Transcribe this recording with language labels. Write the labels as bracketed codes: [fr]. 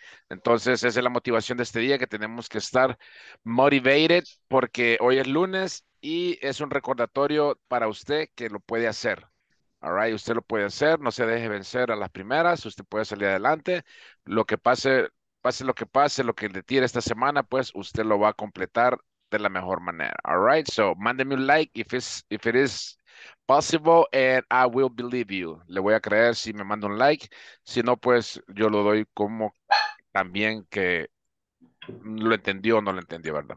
[es] Entonces, esa es la motivación de este día, que tenemos que estar motivated porque hoy es lunes y es un recordatorio para usted que lo puede hacer. [en] All right, [es] usted lo puede hacer, no se deje vencer a las primeras, usted puede salir adelante. Lo que pase, pase lo que pase, lo que le tire esta semana, pues usted lo va a completar de la mejor manera. [en] All right, so [es] mándeme un like [en] if it is possible and I will believe you. [es] Le voy a creer si me manda un like, si no, pues yo lo doy como también que lo entendió o no lo entendió, ¿verdad?